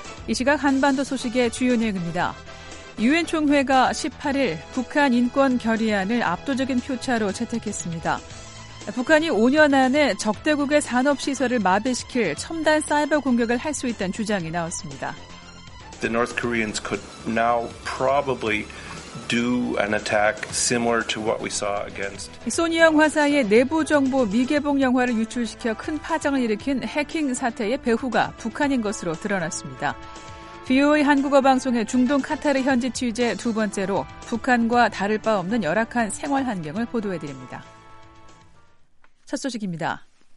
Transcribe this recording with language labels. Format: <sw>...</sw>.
<ko>이 시각 한반도 소식의 주요 내용입니다. 유엔 총회가 18일 북한 인권 결의안을 압도적인 표차로 채택했습니다. 북한이 5년 안에 적대국의 산업시설을 마비시킬 첨단 사이버 공격을 할 수 있다는 주장이 나왔습니다.</ko> <en>The North Koreans could now probably do an attack similar to what we saw against.</en> <ko>소니 영화사의 내부 정보 미개봉 영화를 유출시켜 큰 파장을 일으킨 해킹 사태의 배후가 북한인 것으로 드러났습니다. VOA 한국어 방송의 중동 카타르 현지 취재 두 번째로 북한과 다를 바 없는 열악한 생활 환경을 보도해 드립니다. 첫 소식입니다.</ko>